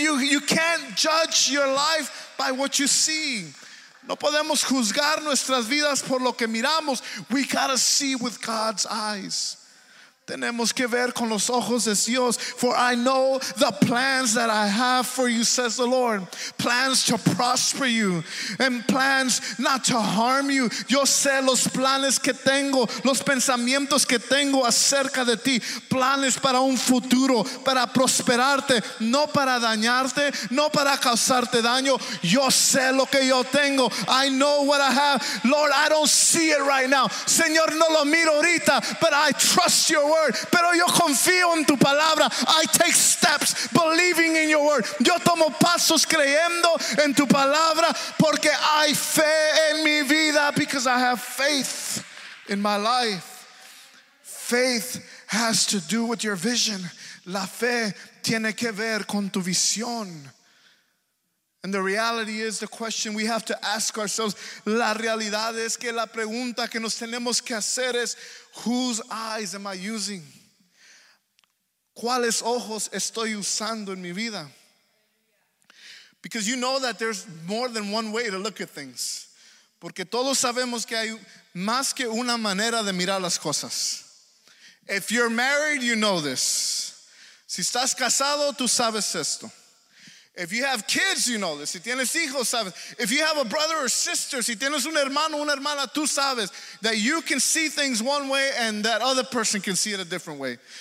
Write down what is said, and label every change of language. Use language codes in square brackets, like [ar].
[en] You can't judge your life by what you see. [es] No podemos juzgar nuestras vidas por lo que miramos. [en] We gotta see with God's eyes. [es] Tenemos que ver con los ojos de Dios. [en] For I know the plans that I have for you, says the Lord. Plans to prosper you and plans not to harm you. [es] Yo sé los planes que tengo, los pensamientos que tengo acerca de ti. Planes para un futuro, para prosperarte, no para dañarte, no para causarte daño. Yo sé lo que yo tengo. [en] I know what I have. Lord, I don't see it right now. [es] Señor, no lo miro ahorita, [en] but I trust your word. [es] Pero yo confío en tu palabra. [en] I take steps believing in your word. [es] Yo tomo pasos creyendo en tu palabra porque hay fe en mi vida, [en] because I have faith in my life. faith has to do with your vision. [es] La fe tiene que ver con tu visión. [en] And the reality is the question we have to ask ourselves. [es] La realidad es que la pregunta que nos tenemos que hacer es, [en] whose eyes am I using? [es] ¿Cuáles ojos estoy usando en mi vida? [en] Because you know that there's more than one way to look at things. [es] Porque todos sabemos que hay más que una manera de mirar las cosas. [en] If you're married, you know this. [es] Si estás casado, tú sabes esto. [en] If you have kids, you know this. [es] Si tienes hijos, sabes. [en] If you have a brother or sister, [es] si tienes un hermano o una hermana, tú sabes [en] that you can see things one way and that other person can see it a different way.